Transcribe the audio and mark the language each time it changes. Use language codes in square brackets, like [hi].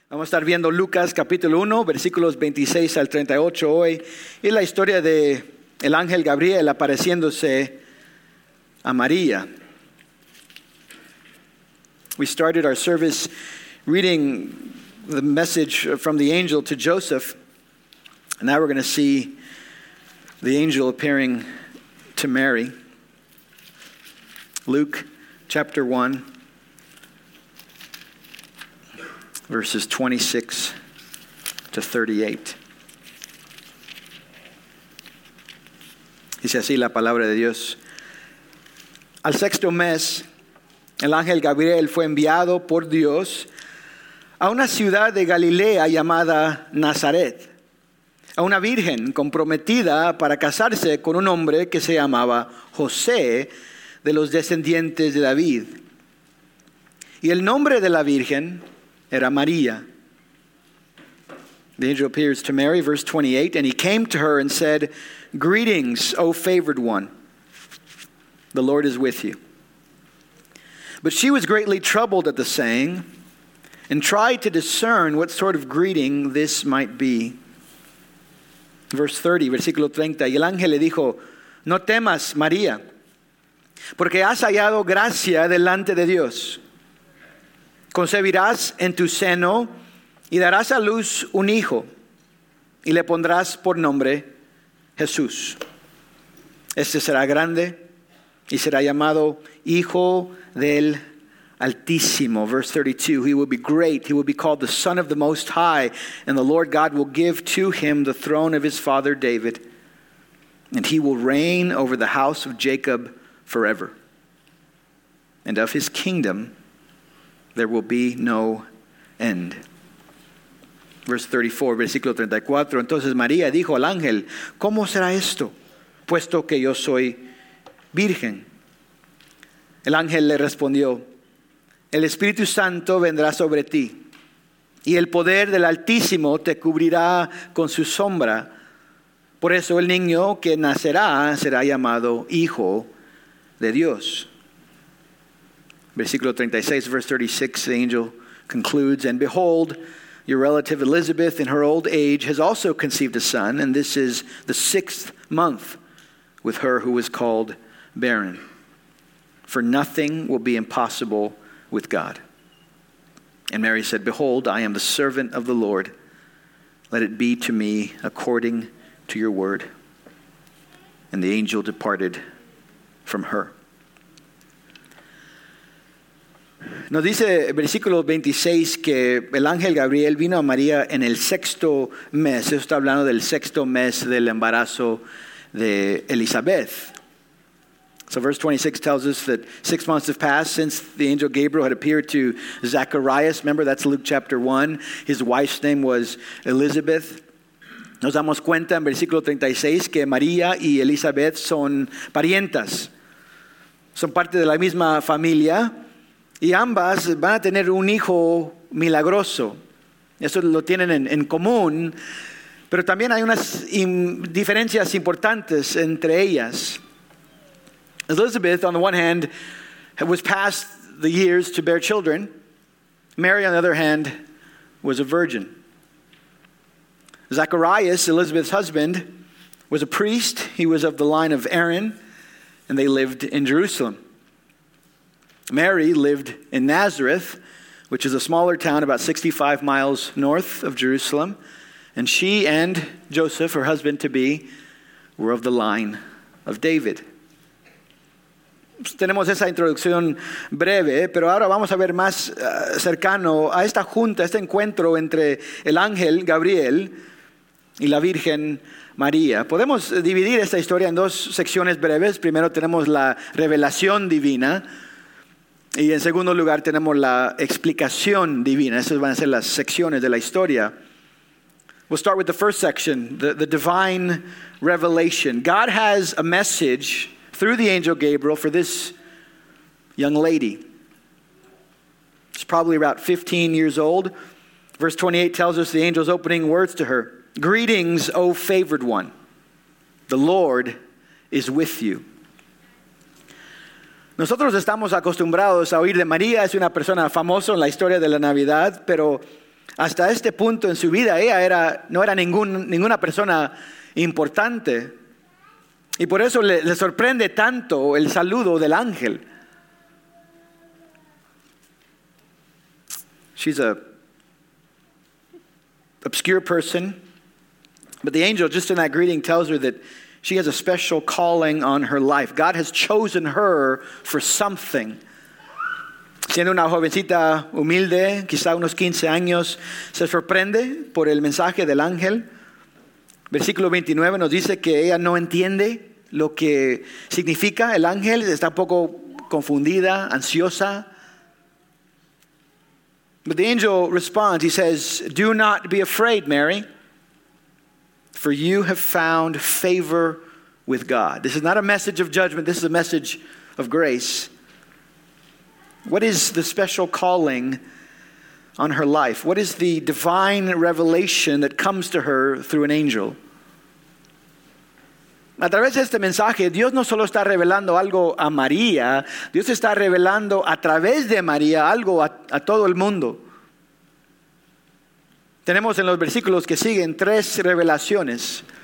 [es] Vamos a estar viendo Lucas capítulo 1, versículos 26 al 38 hoy, y la historia de el ángel Gabriel apareciéndose a María. [en] We started our service reading the message from the angel to Joseph, and now we're going to see the angel appearing to Mary. Luke chapter 1. Verses 26 to 38. [es] Dice así la palabra de Dios. Al sexto mes, el ángel Gabriel fue enviado por Dios a una ciudad de Galilea llamada Nazaret, a una virgen comprometida para casarse con un hombre que se llamaba José, de los descendientes de David. Y el nombre de la virgen era María. [en] The angel appears to Mary, verse 28, and he came to her and said, "Greetings, O favored one. The Lord is with you." But she was greatly troubled at the saying and tried to discern what sort of greeting this might be. Verse 30, [es] versículo 30, y el ángel le dijo, "No temas, María, porque has hallado gracia delante de Dios. Concebirás en tu seno y darás a luz un hijo y le pondrás por nombre Jesús. Este será grande y será llamado Hijo del Altísimo." [en] Verse 32, "He will be great. He will be called the Son of the Most High, and the Lord God will give to him the throne of his father David, and he will reign over the house of Jacob forever. And of his kingdom there will be no end." Verse 34, [es] versículo 34. Entonces María dijo al ángel, "¿Cómo será esto, puesto que yo soy virgen?" El ángel le respondió, "El Espíritu Santo vendrá sobre ti, y el poder del Altísimo te cubrirá con su sombra. Por eso el niño que nacerá será llamado Hijo de Dios." Versículo 36, [en] verse 36, the angel concludes, "And behold, your relative Elizabeth in her old age has also conceived a son, and this is the sixth month with her who was called barren. For nothing will be impossible with God." And Mary said, "Behold, I am the servant of the Lord. Let it be to me according to your word." And the angel departed from her. [es] Nos dice el versículo 26 que el ángel Gabriel vino a María en el sexto mes. Eso está hablando del sexto mes del embarazo de Elizabeth. [en] So verse 26 tells us that 6 months have passed since the angel Gabriel had appeared to Zacharias. Remember, that's Luke chapter 1. His wife's name was Elizabeth. [es] Nos damos cuenta en versículo 36 que María y Elizabeth son parientas. Son parte de la misma familia. Y ambas van a tener un hijo milagroso. Eso lo tienen en común. Pero también hay unas diferencias importantes entre ellas. [en] Elizabeth, on the one hand, was past the years to bear children. Mary, on the other hand, was a virgin. Zacharias, Elizabeth's husband, was a priest. He was of the line of Aaron, and they lived in Jerusalem. Mary lived in Nazareth, which is a smaller town about 65 miles north of Jerusalem, and she and Joseph, her husband-to-be, were of the line of David. [es] Tenemos esa introducción breve, pero ahora vamos a ver más cercano a esta junta, a este encuentro entre el ángel Gabriel y la Virgen María. Podemos dividir esta historia en dos secciones breves. Primero tenemos la revelación divina. Y en segundo lugar tenemos la explicación divina. Esas van a ser las secciones de la historia. [en] We'll start with the first section, the divine revelation. God has a message through the angel Gabriel for this young lady. She's probably about 15 years old. Verse 28 tells us the angel's opening words to her. "Greetings, O favored one. The Lord is with you." [es] Nosotros estamos acostumbrados a oír de María. Es una persona famosa en la historia de la Navidad, pero Hasta este punto en su vida ella era, no era ninguna persona importante. Y por eso le sorprende tanto el saludo del ángel. [en] She's a obscure person, but the angel just in that greeting tells her that she has a special calling on her life. God has chosen her for something. [es] Siendo una jovencita humilde, quizá unos 15 años, se sorprende por el mensaje del ángel. Versículo 29 nos dice que ella no entiende lo que significa el ángel. Está un poco confundida, ansiosa. [en] But the angel responds, he says, "Do not be afraid, Mary, for you have found favor with God." This is not a message of judgment, this is a message of grace. What is the special calling on her life? What is the divine revelation that comes to her through an angel? [es] A través de este mensaje, Dios no solo está revelando algo a María, Dios está revelando a través de María algo a todo el mundo. Tenemos en los versículos que siguen tres revelaciones.